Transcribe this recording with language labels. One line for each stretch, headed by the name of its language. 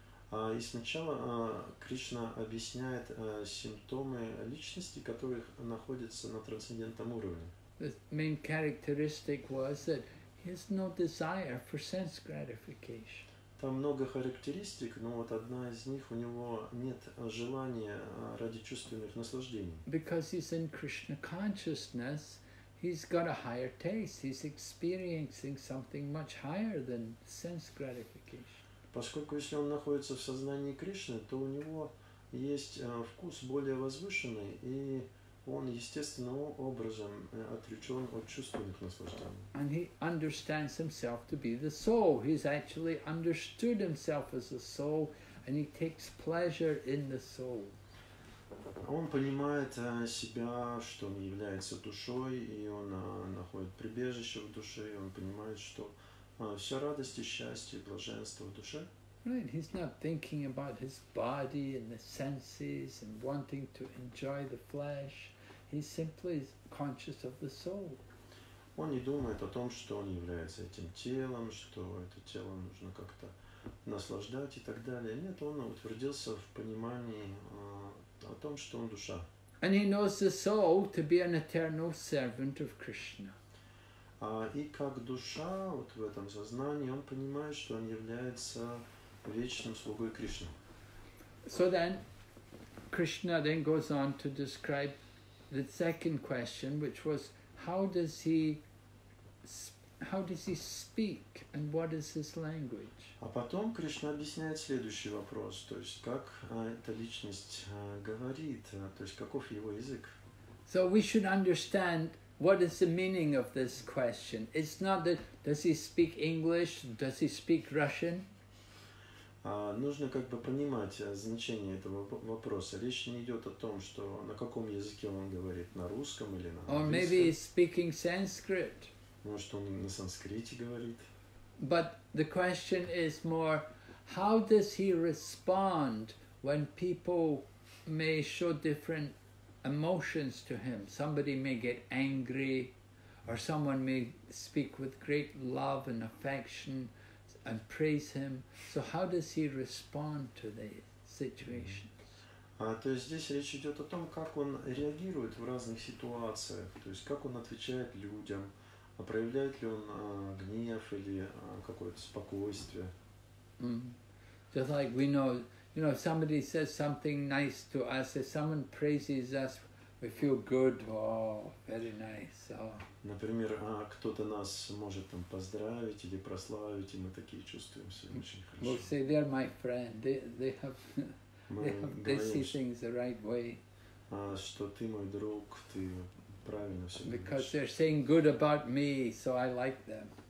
Russian: И сначала Кришна объясняет симптомы личности, которые находятся на трансцендентном уровне.
English: The main characteristic was that he has no desire for sense gratification.
Russian: Там много характеристик, но вот одна из них, у него нет желания ради чувственных наслаждений.
English: Because he's in Krishna consciousness, he's got a higher taste. He's experiencing something much higher than sense gratification.
Russian: Поскольку если он находится в сознании Кришны, то у него есть вкус более возвышенный, и он естественным образом отречен от чувственных наслаждений.
English: And he understands himself to be the soul. He's actually understood himself as a soul, and he takes pleasure in the soul.
Russian: Он понимает себя, что он является душой, и он находит прибежище в душе, и он понимает, что вся радость и счастье, блаженство в душе.
English: Right, he's not thinking about his body and the senses and wanting to enjoy the flesh. He simply is conscious of the soul.
Russian: Он не думает о том, что он является этим телом, что это тело нужно как-то наслаждать и так далее. Нет, он утвердился в понимании о том, что он душа.
English: And he knows the soul to be an eternal servant of Krishna.
Russian: И как душа, вот в этом сознании, он понимает, что он является вечным слугой Кришны.
English: So then, Krishna then goes on to describe the second question, which was, how does he speak, and what is his language?
Russian: А потом Кришна объясняет следующий вопрос, то есть как эта личность говорит, то есть каков его язык?
English: So we should understand, what is the meaning of this question? It's not that, does he speak English? Does he speak Russian?
Russian: Нужно как бы понимать значение этого вопроса. Речь не идет о том, что на каком языке он говорит, на русском или на английском.
English: Or maybe he's speaking Sanskrit.
Russian: Может, он на санскрите говорит.
English: But the question is more, how does he respond when people may show different emotions to him? Somebody may get angry, or someone may speak with great love and affection and praise him. So how does he respond to the situations?
Russian: То есть здесь речь идет о том, как он реагирует в разных ситуациях, то есть как он отвечает людям, проявляет ли он гнев или какое-то спокойствие. Mm-hmm.
English: Just like we know, you know, if somebody says something nice to us, if someone praises us, we feel good, oh, very nice. Oh.
Russian: Например, кто-то нас может там поздравить или прославить, и мы такие чувствуем себя очень хорошо.
English: We'll say, they're my friend, they see things the right way.
Russian: Что ты мой друг, ты правильно все говоришь.
English: Because they're saying good about me, so I like them.